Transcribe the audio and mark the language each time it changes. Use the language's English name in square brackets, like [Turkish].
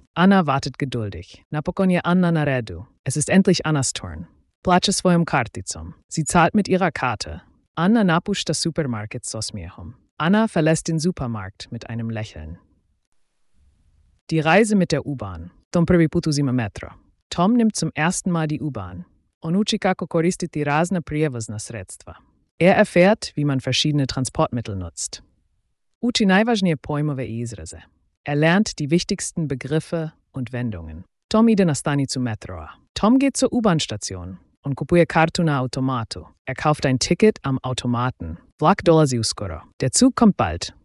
[German] Anna wartet geduldig. [Croatian] Napokon je Anna na redu. [German] Es ist endlich Annas Turn. [Croatian] Plaće svojom karticom. [German] Sie zahlt mit ihrer Karte. [Croatian] Anna napušta supermarket so smijehom. [German] Anna verlässt den Supermarkt mit einem Lächeln. Die Reise mit der U-Bahn. [Croatian] Tom prvi put uzima metro. [German] Tom nimmt zum ersten Mal die U-Bahn. [Croatian] On uči kako koristiti razna prijevozna sredstva. [German] Er erfährt, wie man verschiedene Transportmittel nutzt. [Croatian] Uči najvažnije pojmove i izraze. [German] Er lernt die wichtigsten Begriffe und Wendungen. [Croatian] Tom ide na stanicu metroa. [German] Tom geht zur U-Bahn-Station und [Croatian] kupuje kartu na automatu. [German] Er kauft ein Ticket am Automaten. [Croatian] Vlak dolazi uskoro. [German] Der Zug kommt bald.